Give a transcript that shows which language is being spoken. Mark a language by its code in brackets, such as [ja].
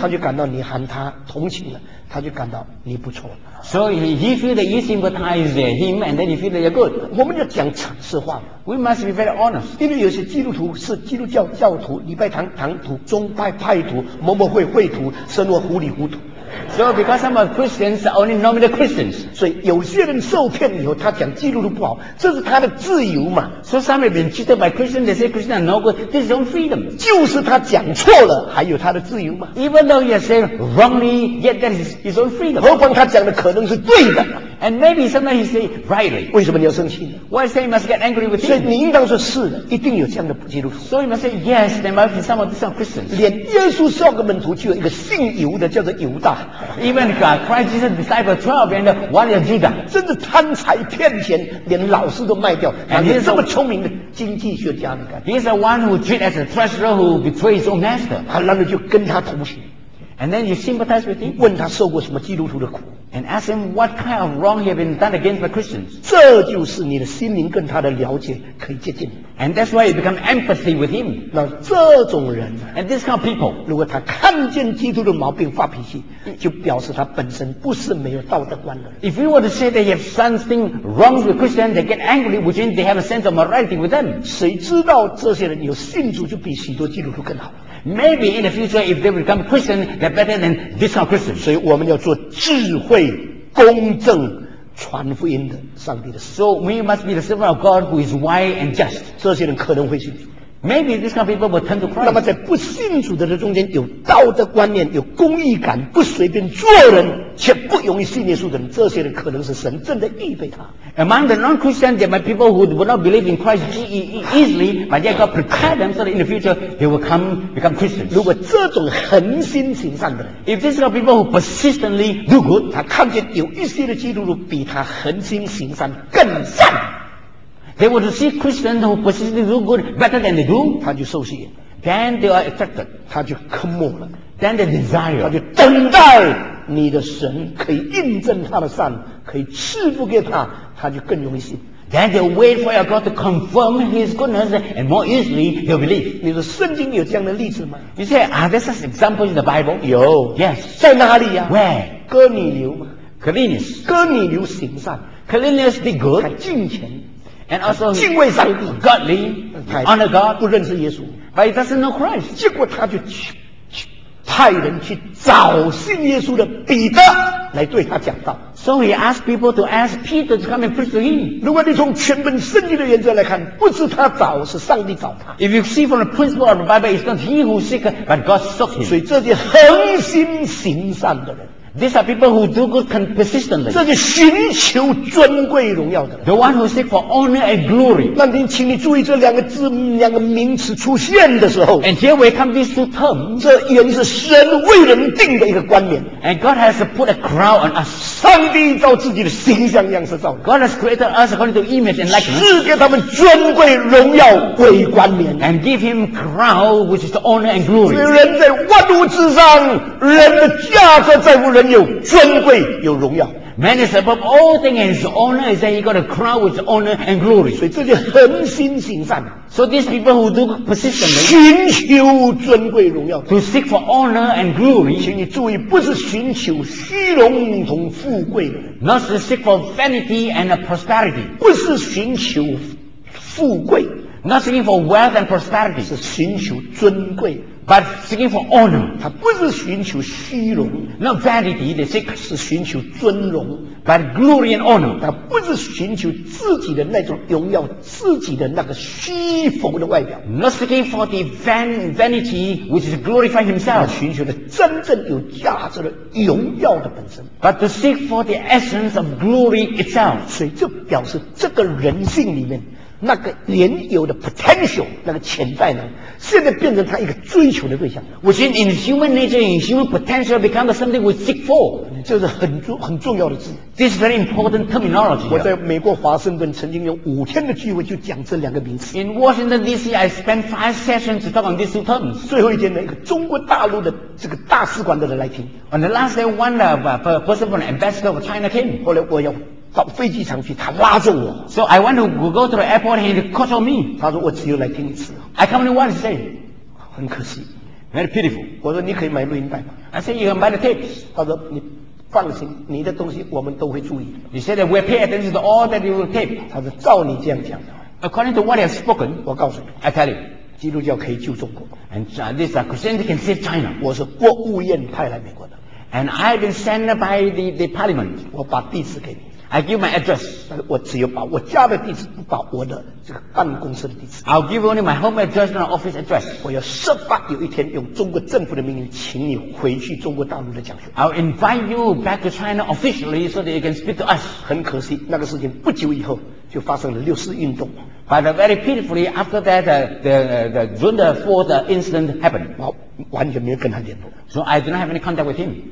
[zh] 他就感到你喊他同情了，他就感到你不错。 [en] So he feels that you sympathize him, and then he feels that you're good. [zh] 我们要讲诚实话。 [en] We must be very honest. [zh] 因为有些基督徒是基督教教徒、礼拜堂堂徒、宗派派徒、某某会会徒，生活糊里糊涂。 [en] So because some of Christians are only nominal Christians. [zh] 所以有些人受骗以后，他讲基督徒不好，这是他的自由嘛。 [en] So some have been cheated by Christians. They say Christians are no good. This is their own freedom. [zh] 就是他讲错了，还有他的自由嘛。 [en] Even though he is saying wrongly, yet that is his own freedom. [zh] 何况他讲的可能是对的。 [en] And maybe sometimes he say rightly. [zh] 为什么你要生气呢？ [en] Why say you must get angry with him? [zh] 所以你应当说是的，一定有这样的基督徒。 [en] So you must say yes, there must be some of these Christians. [zh] 连耶稣十二个门徒就有一个姓犹的，叫做犹大。 [en] Even Christ Jesus disciple 12 and one is Judah. [zh] 真是贪财骗钱，连老师都卖掉。 [en] And he's [zh] 这么聪明的经济学家，你看。 [en] He's the one who treat as a treasurer who betrays his own master. [zh] 好，那你就跟他同行。 [en] And then you sympathize with him. [zh] 问他受过什么基督徒的苦。 [en] And ask him what kind of wrong he has been done against the Christians. [zh] 这就是你的心灵跟他的了解可以接近。 [en] And that's why you become empathy with him. [zh] 那这种人 [en] ，And this kind of people， [zh] 如果他看见基督的毛病发脾气，就表示他本身不是没有道德观的人。 [en] If you were to say they have something wrong with Christians, they get angry, which means they have a sense of morality with them. [zh] 谁知道这些人有信主就比许多基督徒更好？ [en] Maybe in the future, if they become Christian, they're better than this kind of Christian. [zh] 所以我们要做智慧、公正、传福音的上帝的。 [en] So we must be the servant of God who is wise and just. [zh] 这些人可能会信主。 [en] Maybe this kind of people will turn to Christ. [zh] 那么在不信主的人中间，有道德观念、有公义感、不随便做人，且不容易信耶稣的人，这些人可能是神正在预备他。 [en] Among the non-Christians, there are people who do not believe in Christ easily, but yet God prepared them so that in the future they will come become Christians. [zh] 如果这种恒心行善的人 [en] ，If these are people who persistently do good, [zh] 他看见有一些的基督徒比他恒心行善更善 [en] ，They will see Christians who persistently do good better than they do. [zh] 他就受吸引 [en] ，Then they are attracted. [zh] 他就渴慕了 [en] ，Then they desire. [zh] 他就等待你的神可以印证他的善，可以赐福给他。他就更容易信。 [en] Then they wait for your God to confirm His goodness, and more easily they'll believe. [zh] 你说圣经有这样的例子吗 [en] ？You say, are there such examples in the Bible? [zh] 有 [en] ，Yes. [zh] 在哪里呀 [en] ？Where? [zh] 哥尼流嘛。 [en] Cornelius. [zh] 哥尼流行善。 [en] Cornelius did good. [zh] 他敬虔。 [en] And also, [zh] 敬畏上帝 [en] ，godly, honor God, [zh] 不认识耶稣 [en] ，but he doesn't know Christ. [zh] 结果他就派人去找信耶稣的彼得来对他讲道。 [en] So he asked people to ask Peter to come and preach to him. [zh] 如果你从全本圣经的原则来看，不是他找，是上帝找他。 [en] If you see from the principle of the Bible, it's not he who seeks, but God sought him. [zh] 所以这些恒心行善的人。 [en] These are people who do good persistently. [zh] 这是寻求尊贵荣耀的。 [en] The one who seek for honor and glory. [zh] 那您请你注意这两个字，两个名词出现的时候。 [en] And here we come these two terms. [zh] 这原是神为人定的一个冠冕。 [en] And God has put a crown on us. [zh] 上帝照自己的形象样式造。 [en] God has created us according to image and likeness. [zh] 赐给他们尊贵荣耀为冠冕。 [en] And give him crown which is the honor and glory. [zh] 人在万物之上，人的价值在乎。人有尊贵，有荣耀。 [en] Man is above all things, and his honor is that he got a crown with honor and glory. [zh] 所以这就恒心行善。 [en] So these people who do persistently [zh] 寻求尊贵荣耀 [en] ，to seek for honor and glory. [zh] 请你注意，不是寻求虚荣同富贵的人 [en] ，not to seek for vanity and prosperity. [zh] 不是寻求富贵 [en] ，not seeking for wealth and prosperity. [zh] 是寻求尊贵。 [en] But seeking for honor, [zh] 他不是寻求虚荣 [en] ，not vanity. They seek [zh] 是寻求尊荣 [en] ，but glory and honor. [zh] 他不是寻求自己的那种荣耀，自己的那个虚浮的外表 [en] ，not seeking for the vanity which is glorifying himself. [zh] 寻求的真正有价值的荣耀的本身 [en] ，but to seek for the essence of glory itself. [zh] 所以就表示这个人性里面。那个原有的 potential 那个潜在呢现在变成他一个追求的对象 [en] which is in human nature in human potential become something we seek for [zh] 这是 很重要的字 [en] this is very important terminology [zh] 我在美国华盛顿曾经有五天的聚会就讲这两个名词 [en] in Washington DC I spent 5 sessions to talk on these two terms [zh] 最后一天呢一个中国大陆的这个大使馆的人来听 [en] on the last day one of a person from the ambassador of China came [zh] 后来我要到飞机上去，他拉着我。 [en] So I want to go to the airport and he calls on me. [zh] 他说我只有来听一次。 [en] I come only once. Say, [zh] 很可惜。 [en] Very pitiful. [zh] 我说你可以买录音带吗 [en] ？I said you can buy the tapes. [zh] 他说你放心，你的东西我们都会注意。 [en] He said that we pay attention to all that you will tape. [zh] 他说照你这样讲的。 [en] According to what you have spoken, [zh] 我告诉你 [en] ，I tell you, [zh] 基督教可以救中国。 [en] And this Christianity can save China. [zh] 我是国务院派来美国的。 [en] And I've been sent by the parliament. [zh] 我把地址给你。 [en] I give my address. [zh] 我只有把我家的地址，不把我的这个办公室的地址。 [en] I'll give only my home address and office address. [zh] 我要设法有一天用中国政府的名义，请你回去中国大陆的讲学。 [en] I'll invite you back to China officially so that you can speak to us. [zh] 很可惜，那个事情不久以后就发生了六四运动。 [en] But very pitifully, after that, the June the 4th incident happened. [zh] 我完全没有跟他联络。 [en] So I do not have any contact with him.